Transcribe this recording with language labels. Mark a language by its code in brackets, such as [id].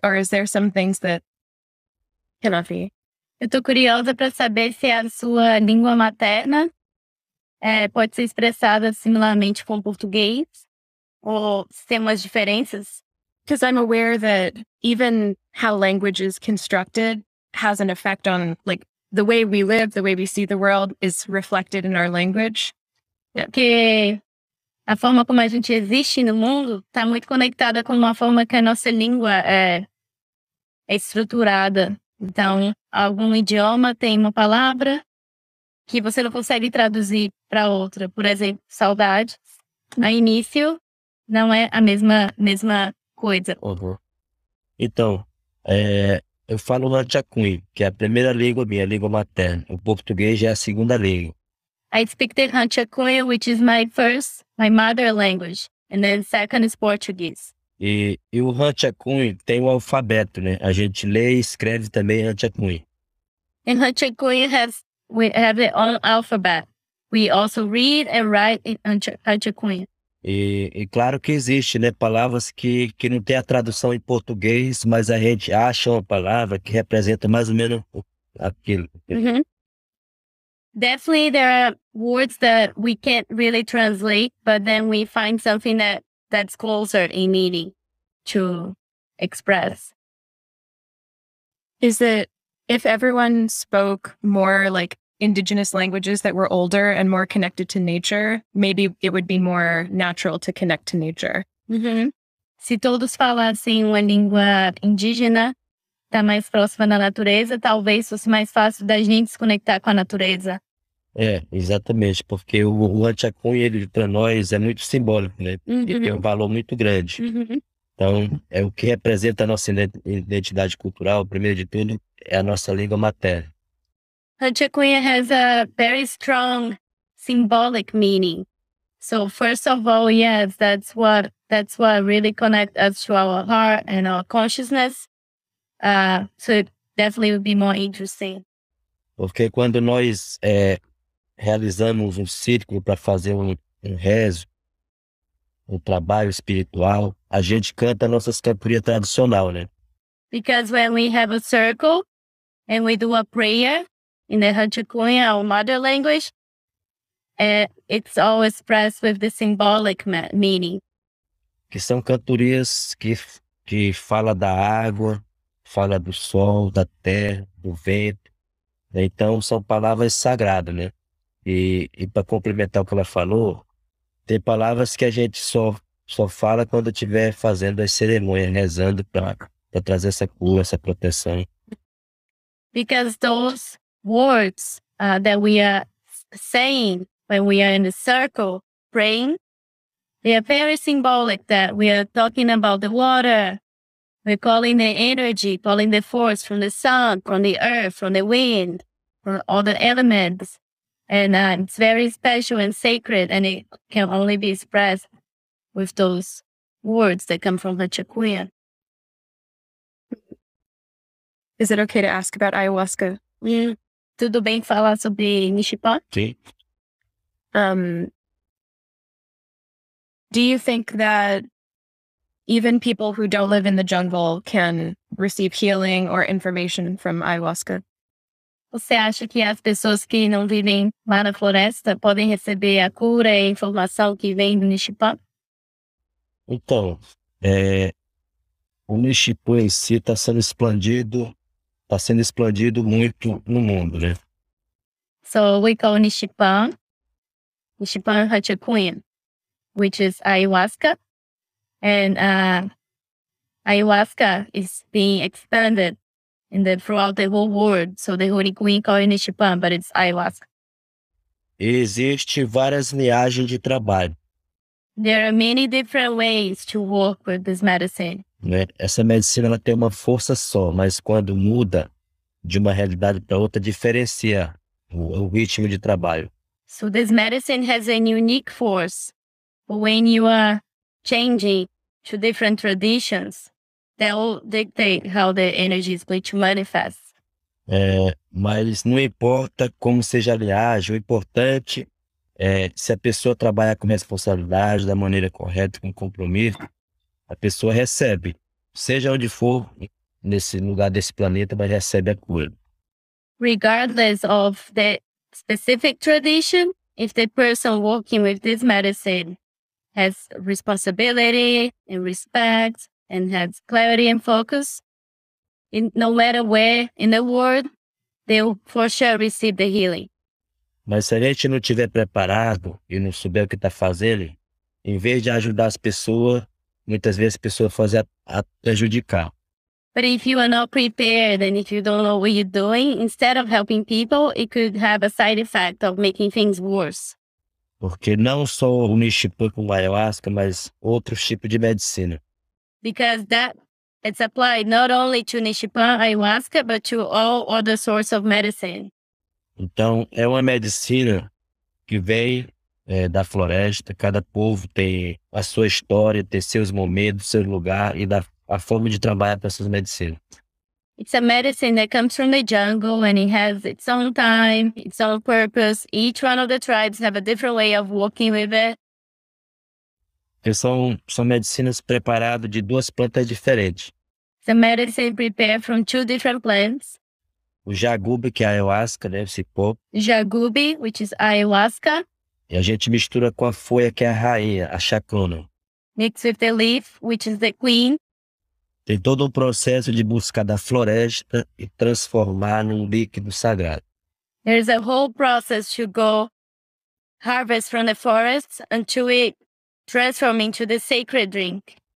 [en] Or is there some things that cannot be? [pt] Eu tô curiosa para saber se a sua língua materna pode ser expressada similarmente com o português. Ou se tem umas diferenças. [en] Because I'm aware that even how language is constructed has an effect on, like, the way we live, the way we see the world is reflected in our language. Yeah. [pt] Porque a forma como a gente existe no mundo está muito conectada com uma forma que a nossa língua é estruturada. Então, algum idioma tem uma palavra que você não consegue traduzir para outra. Por exemplo, saudade. A início não é a mesma coisa. Uhum. Então, eu falo na Tchacuí, que é a primeira língua minha, a língua materna. O português é a segunda língua. [en] I speak the Tchacuí, which is my mother language. And then second is Portuguese. [pt] E o Han Tchacuí tem o alfabeto, né? A gente lê e escreve também Han Tchacuí. [en] In Han Tchacuí, we have the own alphabet. We also read and write in Han Tchacuí. [pt] E claro que existe, né? Palavras que não tem a tradução em português, mas a gente acha uma palavra que representa mais ou menos aquilo. Mm-hmm. [en] Definitely, there are words that we can't really translate, but then we find something that's closer in meaning to express. Is it, if everyone spoke more like indigenous languages that were older and more connected to nature, maybe it would be more natural to connect to nature. Mm-hmm. [pt] Se todos falassem uma língua indígena, tá mais próxima da natureza, talvez fosse mais fácil da gente se conectar com a natureza. É, exatamente, porque o Han Tchacuí, ele para nós é muito simbólico, né? Uhum. E tem um valor muito grande. Uhum. Então, é o que representa a nossa identidade cultural, primeiro de tudo, é a nossa língua materna. [en] Han Tchacuí has a very strong symbolic meaning. So, first of all, yes, that's what really connects us to our heart and our consciousness. So it definitely would be more interesting. [pt] Porque quando nós realizamos um círculo para fazer um rezo, um trabalho espiritual, a gente canta a nossa cantoria tradicional, né? [en] Because when we have a circle and we do a prayer in the Han Tchacuí, our mother language, it's always expressed with the symbolic meaning. [pt] Que são cantorias que fala da água, fala do sol, da terra, do vento. Então, são palavras sagradas, né? E para complementar o que ela falou, tem palavras que a gente só fala quando estiver fazendo as cerimônias, rezando para trazer essa cura, essa proteção. [en] Because those words that we are saying when we are in a circle praying, they are very symbolic that we are talking about the water. We're calling the energy, calling the force from the sun, from the earth, from the wind, from all the elements. And it's very special and sacred, and it can only be expressed with those words that come from the Tchacuí. Is it okay to ask about ayahuasca? [pt] Mm. Tudo bem falar sobre Nishipa? Sim. [en] Do you think that even people who don't live in the jungle can receive healing or information from ayahuasca? [pt] Você acha que as pessoas que não vivem lá na floresta podem receber a cura e a informação que vem do Nishipa? Então, o Nishipa em si está sendo expandido muito no mundo, né? [en] So we call Nishipa Han Tchacuí, which is ayahuasca. And ayahuasca is being expanded throughout the whole world. So the Holy Queen called Nishipa, but it's ayahuasca. [pt] Existe várias linhagens de trabalho. [en] There are many different ways to work with this medicine. [pt] Essa medicina ela tem uma força só, mas quando muda de uma realidade para outra, diferencia o ritmo de trabalho. [en] So this medicine has a unique force. But when you are changing to different traditions, that will dictate how the energy is going to manifest. [pt] Mas não importa como seja a linhagem, o importante é se a pessoa trabalha com responsabilidade, da maneira correta, com compromisso, a pessoa recebe, seja onde for, nesse lugar desse planeta, mas recebe a cura. [en] Regardless of the specific tradition, if the person working with this medicine has responsibility and respect, and has clarity and focus, in no matter where in the world, they'll for sure receive the healing. [pt] Mas se a gente não tiver preparado e não souber o que está fazendo, em vez de ajudar as pessoas, muitas vezes as pessoas fazem a prejudicar. [en] But if you are not prepared and if you don't know what you're doing, instead of helping people, it could have a side effect of making things worse. [pt] Porque não só o Nishipu com ayahuasca, mas outro tipo de medicina. [en] Because that it's applied not only to Nishipu ayahuasca, but to all other sorts of medicine. [pt] Então, é uma medicina que vem da floresta. Cada povo tem a sua história, tem seus momentos, seu lugar e da a forma de trabalhar para essas medicinas. [en] It's a medicine that comes from the jungle and it has its own time, its own purpose. Each one of the tribes have a different way of working with it. [pt] São medicinas preparadas de duas plantas diferentes. [en] It's a medicine prepared from two different plants. [pt] O jagube, que é ayahuasca, né? Esse povo. [en] Jagube, which is ayahuasca. [pt] E a gente mistura com a folha, que é a rainha, a chacruna. [en] Mixed with the leaf, which is the queen. [pt] Tem todo um processo de buscar da floresta e transformar num líquido sagrado. [en] There's a whole process to go harvest from the forests and to it transform into the sacred drink.